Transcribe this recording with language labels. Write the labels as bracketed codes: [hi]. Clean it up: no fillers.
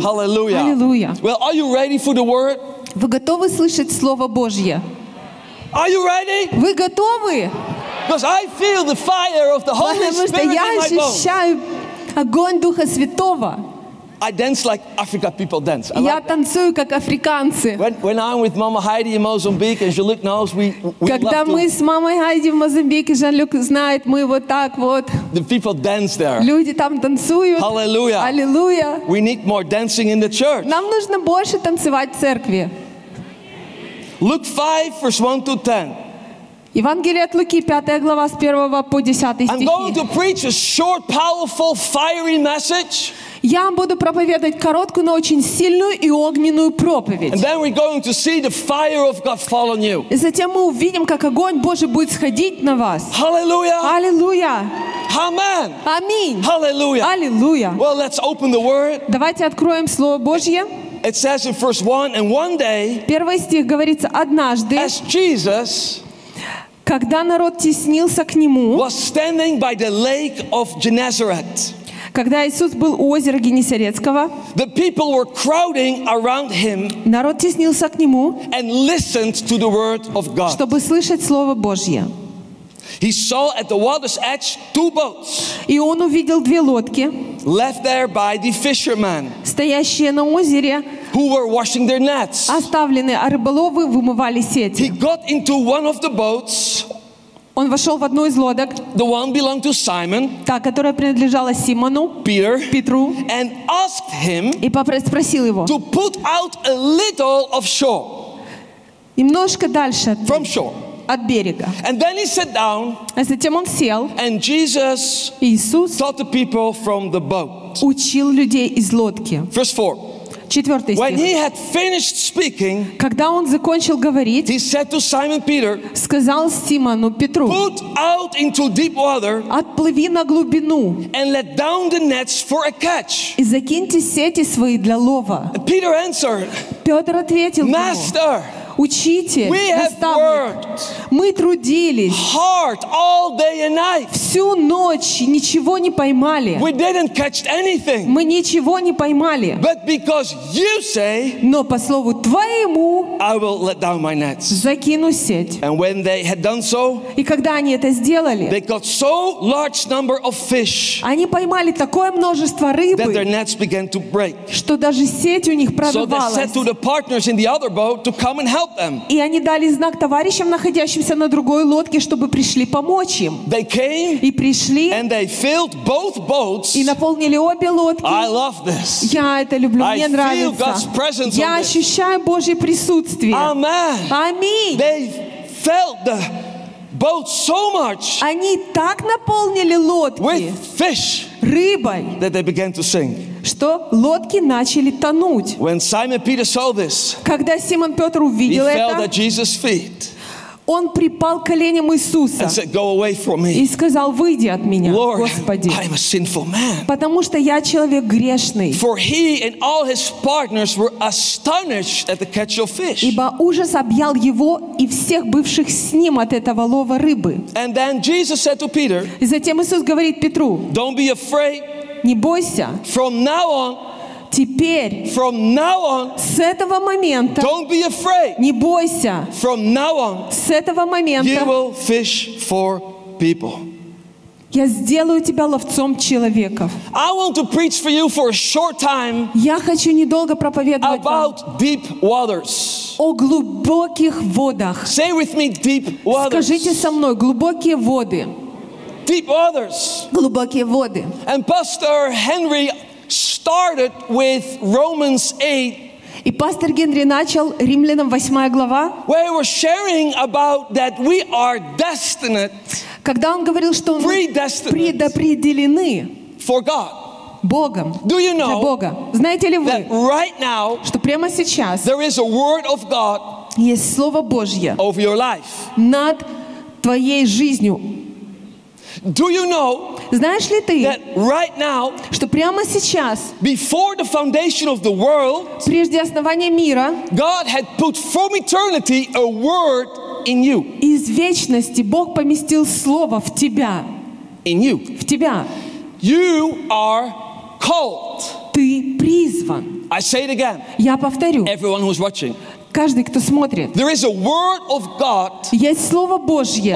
[en] Аллилуйя. Well, are you ready for the word? [ru] Вы готовы слышать Слово Божье? [en] Are you ready? [ru] Вы готовы? [en] Because I feel the fire of the Holy Spirit in my bones. [ru] Потому что я ощущаю огонь Духа Святого. [en] I dance like Africa people dance. [ru] Я танцую как африканцы. [en] When I'm with Mama Heidi in Mozambique and Jean-Luc knows we [ru] Когда мы с мамой Хайди в Мозамбике, Жан-Люк знает, мы вот так вот. [en] The people dance there. [ru] Люди там танцуют. [en] Hallelujah. Hallelujah. We need more dancing in the church. [ru] Нам нужно больше танцевать в церкви. [en] Luke 5 verse 1 to 10. [ru] Евангелие от Луки, 5 глава, с 1 по 10 стихи. [en] I'm going to preach a short, powerful, fiery message. [ru] Я буду проповедовать короткую, но очень сильную и огненную проповедь. [en] And then we're going to see the fire of God fall on you. [ru] И затем мы увидим, как огонь Божий будет сходить на вас. [en] Hallelujah. Hallelujah. Amen. [ru] Аминь. [en] Hallelujah. Hallelujah. Well, let's open the word. [ru] Давайте откроем Слово Божье. [en] It says in verse 1, and one day. [ru] Первый стих говорится однажды. [en] As Jesus. [ru] Когда народ теснился к нему, [en] was standing by the lake of Genesaret. [ru] Когда Иисус был у озера Генесарецкого, [en] the people were crowding around him, [ru] народ теснился к нему, [en] and listened to the word of God. [ru] Чтобы слышать Слово Божье. [en] He saw at the water's edge two boats, [ru] и он увидел две лодки, [en] left there by the fishermen, [ru] стоящие на озере, [en] who were washing their nets. [ru] Оставлены, а рыболовы вымывали сети. [en] He got into one of the boats. [ru] Он вошел в одну из лодок. [en] The one belonged to Simon. [ru] Та, которая принадлежала Симону. [en] Peter. [ru] Петру. [en] And asked him. [ru] И спросил его. [en] To put out a little of shore. [ru] Немножко дальше. [en] From shore. [ru] От берега. [en] And then he sat down. [ru] А затем он сел. [en] And Jesus. [ru] Иисус. [en] Taught the people from the boat. [ru] Учил людей из лодки. [en] Verse 4. When he had finished speaking, [ru] когда он закончил говорить, [en] he said to Simon Peter, [ru] сказал Симону Петру, [en] put out into deep water, [ru] отплыви на глубину, [en] and let down the nets for a catch. [ru] И закиньте сети свои для лова. [en] Peter answered, [ru] Петр ответил, [en] Master, [ru] Учитель, [en] we have worked. [ru] Мы трудились. [en] Hard all day and night. [ru] Всю ночь ничего не поймали. [en] We didn't catch anything. [ru] Мы ничего не поймали. [en] But because you say, [ru] но по слову твоему, [en] I will let down my nets. [ru] Закину сеть. [en] And when they had done so, [ru] и когда они это сделали, [en] they caught so large number of fish. [ru] Они поймали такое множество рыбы, [en] that their nets began to break. [ru] Что даже сеть у них прорвалась. [en] So they said to the partners in the other boat to come and help them. [ru] И они дали знак товарищам, находящимся на другой лодке, чтобы пришли помочь им. [en] They came, [ru] и пришли, [en] and they filled both boats. [ru] И наполнили обе лодки. [en] I love this. [ru] Я это люблю, мне нравится. [en] I feel God's presence. [ru] Я ощущаю Божье присутствие. Аминь. [en] They felt the boat so much. [ru] Они так наполнили лодки. [en] With fish. [ru] Рыбой. [en] That they began to sink. [ru] Что лодки начали тонуть. [en] When Simon Peter saw this. [ru] Когда Симон Петр увидел это. [en] He fell at Jesus' feet. [ru] Он припал к коленям Иисуса [en] and said, "Go away from me." [ru] И сказал, выйди от меня, [en] Lord, [ru] Господи, [en] I am a sinful man. [ru] Потому что я человек грешный. [en] For he and all his partners were astonished at the catch of fish. [ru] Ибо ужас объял его и всех бывших с ним от этого лова рыбы. [en] And then Jesus said to Peter, [ru] и затем Иисус говорит Петру, [en] "Don't be afraid. [ru] Не бойся. [en] From now on, [ru] теперь, [en] from now on, [ru] с этого момента, [en] don't be afraid, [ru] не бойся, [en] from now on, [ru] с этого момента, [en] you will fish for people. [ru] Я сделаю тебя ловцом человеков. [en] I want to preach for you for a short time. [ru] Я хочу недолго проповедовать вам [en] about deep waters. [ru] О глубоких водах. [en] Say with me, deep waters. [ru] Скажите со мной, глубокие воды. [en] Deep waters. [ru] Глубокие воды. [en] And Pastor Henry started with Romans 8. [ru] И пастор Генри начал Римлянам 8 глава. [en] Where he was sharing about that we are destined. [ru] Когда он говорил, что мы предопределены [en] for God. [ru] Богом. [en] Do you know [ru] для Бога. Знаете ли вы, [en] that right now, [ru] что прямо сейчас [en] there is a word of God [ru] есть слово Божье [en] over your life. [ru] Над твоей жизнью. [en] Do you know, [ru] знаешь ли ты, [en] that right now, [ru] что прямо сейчас, [en] before the foundation of the world, [ru] прежде основания мира, [en] God had put from eternity a word in you. [ru] Из вечности Бог поместил слово в тебя. [en] In you. [ru] В тебя. [en] You are called. [ru] Ты призван. [en] I say it again. [ru] Я повторю. [en] Everyone who's watching. [ru] Каждый, кто смотрит. [en] There is a word of God. [ru] Есть слово Божье.